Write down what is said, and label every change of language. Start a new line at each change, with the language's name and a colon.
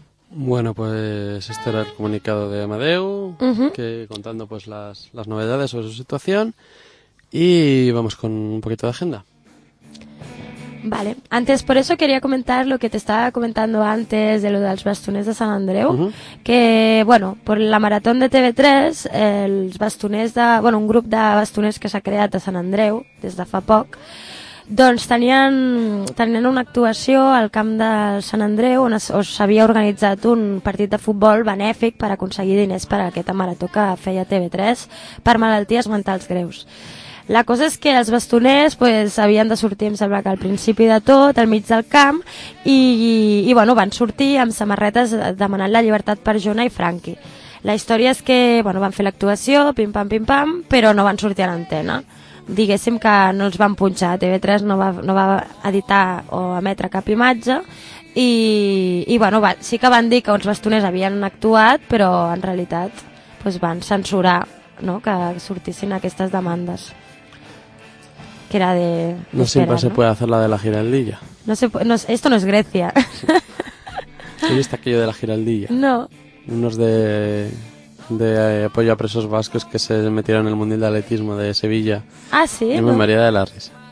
Spanish: Bueno, pues este era el comunicado de Amadeu, que contando pues las novedades sobre su situación, y vamos con un poquito de agenda. Vale, antes por eso quería comentar lo que te estaba comentando antes de lo de los bastones de San Andreu, que bueno, por la maratón de TV3,
Catalan: els bastoners de, bueno, un grup de bastoners que s'ha creat a Sant Andreu des de fa poc, doncs tenien una actuació al camp de Sant Andreu on s'havia organitzat un partit de futbol benèfic per aconseguir diners per a aquesta marató que feia TV3 per malalties mentals greus. La cosa és que els bastoners pues, havien de sortir, em sembla que al principi de tot, al mig del camp, i bueno, van sortir amb samarretes demanant la llibertat per Jona i Franqui. La història és que bueno, van fer l'actuació, pim-pam, pim-pam, però no van sortir a l'antena. Diguéssim que no els van punxar, TV3 no va editar o emetre cap imatge i bueno, sí que van dir que uns bastoners havien actuat, però en realitat pues van censurar, no, que sortissin aquestes demandes.
Spanish: Que era de no sempre se puede hacer la de la giraldilla. Esto no es Grecia. ¿Has visto aquello de la giraldilla? No. Unos de apoyo a presos vascos que se metieron en el Mundial de Atletismo de Sevilla. Ah, sí. Y me maría de la risa.